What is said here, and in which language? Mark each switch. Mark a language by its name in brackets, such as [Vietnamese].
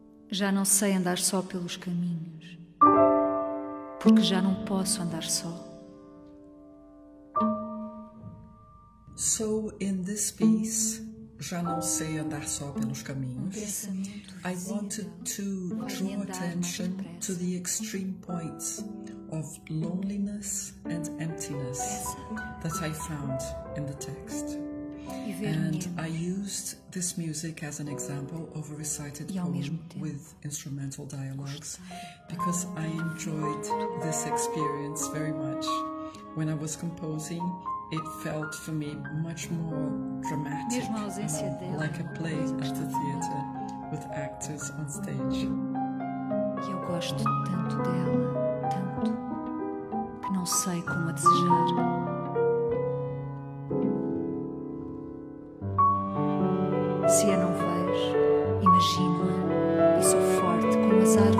[Portuguese] Já não sei andar só pelos caminhos, porque já não posso andar só. [English] So in this piece, Já Não Sei Andar Só Pelos Caminhos, I wanted to draw attention to the extreme points of loneliness and emptiness that I found in the text. And I used this music as an example of a recited poem with instrumental dialogues because I enjoyed this experience very much. When I was composing, it felt for me much more dramatic, like a play at the theater with actors on stage. [Portuguese] Eu gosto tanto dela, tanto, que não sei como a desejar. Se a não vejo, imagino-a e sou forte como as